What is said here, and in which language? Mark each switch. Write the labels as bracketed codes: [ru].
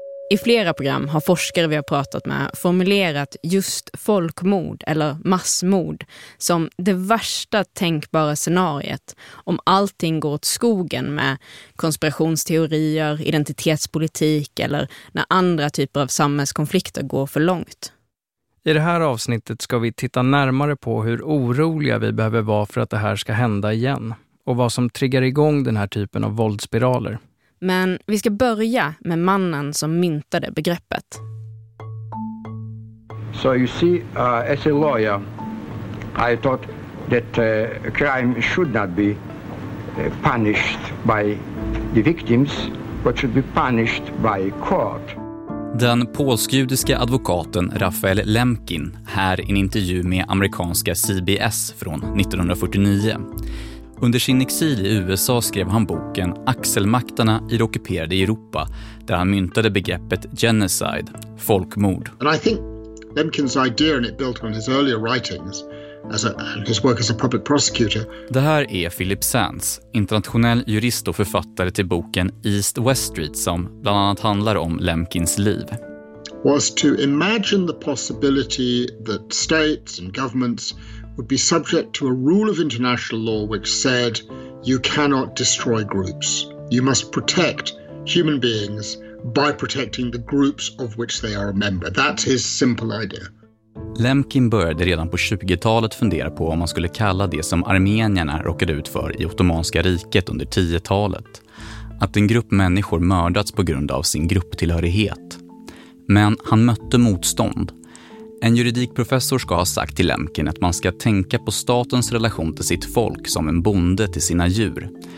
[sv] I flera program har forskare vi har pratat med formulerat just folkmord eller massmord som det värsta tänkbara scenariet om allting går åt skogen med konspirationsteorier, identitetspolitik eller när andra typer av samhällskonflikter går för långt. I det här avsnittet ska vi titta närmare på hur oroliga vi behöver vara för att det här ska hända igen och vad som triggar igång den här typen av våldsspiraler. Men vi ska börja med mannen som myntade begreppet. [en] So you see, as a lawyer, I thought that crime should not be punished by the victims, but should be punished by court. [sv] Den polsk-judiska advokaten Rafael Lemkin här i en intervju med amerikanska CBS från 1949. Under sin exil i USA skrev han boken Axelmakterna i det ockuperade Europa, där han myntade begreppet genocide, folkmord. [en] And I think Lemkin's idea, and it built on his earlier writings as a, his work as a public prosecutor. [sv] Det här är Philip Sands, internationell jurist och författare till boken East West Street, som bland annat handlar om Lemkins liv. [en] Was to imagine the possibility that states and governments would be subject to a rule of international law which said you cannot destroy groups. You must protect human beings by protecting the groups of which they are a member. That's his simple idea. [sv] Lemkin började redan på 20-talet fundera på om man skulle kalla det som armenierna råkade ut för i Ottomanska riket under 10-talet. Att en grupp människor mördats på grund av sin grupptillhörighet. Men han mötte motstånd. En juridikprofessor ska ha sagt till Lemkin att man ska tänka på statens relation till sitt folk som en bonde till sina djur.